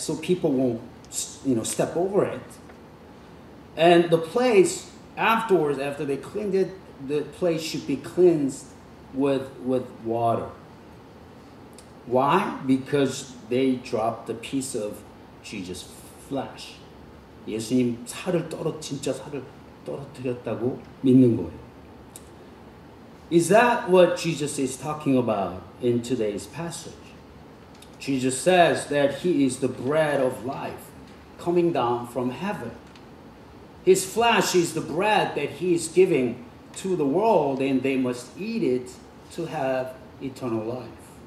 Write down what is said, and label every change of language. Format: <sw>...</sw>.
<en>So people won't, you know, step over it. And the place afterwards, after they cleaned it, the place should be cleansed with water. Why? Because they dropped a piece of Jesus' flesh.</en> <ko>예수님 살을 진짜 살을 떨어뜨렸다고 믿는 거예요.</ko> <en>Is that what Jesus is talking about in today's passage? Jesus says that he is the bread of life coming down from heaven. His flesh is the bread that he is giving to the world, and they must eat it to have eternal life.</en>